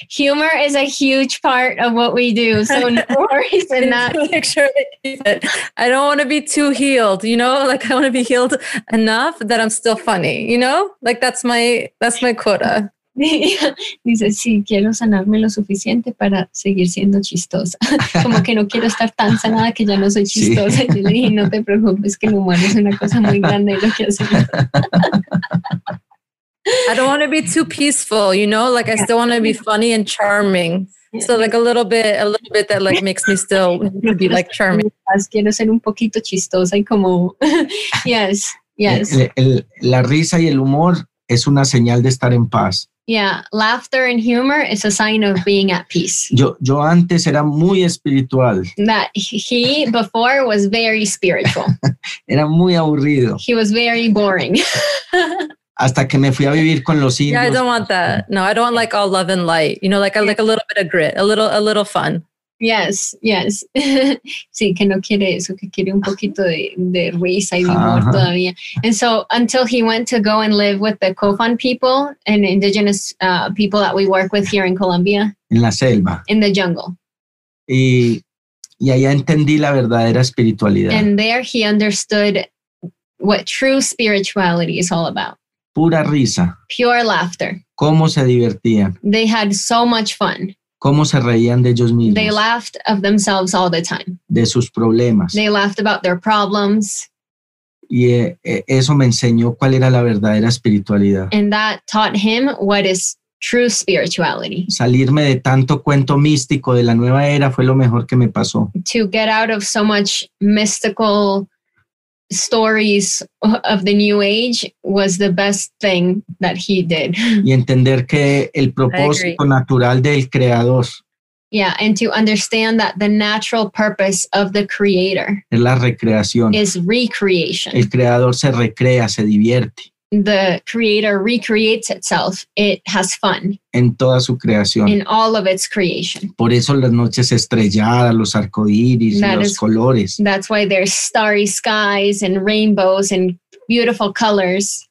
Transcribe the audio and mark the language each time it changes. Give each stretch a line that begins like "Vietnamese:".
English: Humor is a huge part of what we do. So no worries in that. Make sure that I don't want to be too healed, you know? Like, I want to be healed enough that I'm still funny, you know? Like, that's my quota.
Spanish: Dice, sí, quiero sanarme lo suficiente para seguir siendo chistosa. Como que no quiero estar tan sanada que ya no soy chistosa. Sí. Yo le dije, no te preocupes, que el humor es una cosa muy grande lo que hace.
English: I don't want to be too peaceful, you know? Like, I still want to be funny and charming. So, like, a little bit that, like, makes me still be, like, charming.
Spanish: Quiero ser un poquito chistosa y como...
English: Yes, yes.
Spanish: La risa y el humor es una señal de estar en paz.
English: Yeah, laughter and humor is a sign of being at peace.
Spanish: Yo antes era muy espiritual.
English: That he before was very spiritual.
Spanish: Era muy aburrido.
English: He was very boring.
Spanish: Hasta que me fui a vivir con los indios.
English: Yeah, I don't want that. No, I don't want like all love and light. You know, like I like a little bit of grit, a little fun. Yes, yes.
Spanish: Sí, que no quiere eso, que quiere un poquito de risa y de humor todavía.
English: And so until he went to go and live with the Kofan people and indigenous people that we work with here in Colombia.
Spanish: En la selva.
English: In the jungle.
Spanish: Y allá entendí la verdadera espiritualidad.
English: And there he understood what true spirituality is all about.
Spanish: Pura risa.
English: Pure laughter.
Spanish: Cómo se divertían.
English: They had so much fun.
Spanish: Cómo se reían de ellos mismos.
English: They laughed of themselves all the time.
Spanish: De sus problemas.
English: They laughed about their problems.
Spanish: Y eso me enseñó cuál era la verdadera espiritualidad.
English: And that taught him what is true spirituality.
Spanish: Salirme de tanto cuento místico de la nueva era fue lo mejor que me pasó.
English: To get out of so much mystical stories of the new age was the best thing that he did.
Spanish: Y entender que el propósito natural del creador.
English: Yeah, and to understand that the natural purpose of the creator
Spanish: es la recreación.
English: Is recreation.
Spanish: El creador se recrea, se divierte.
English: The creator recreates itself. It has fun.
Spanish: En toda su creación.
English: In all of its creation.
Spanish: Por eso las noches estrelladas, los arcoíris, los colores.
English: That's why there's starry skies and rainbows and beautiful colors.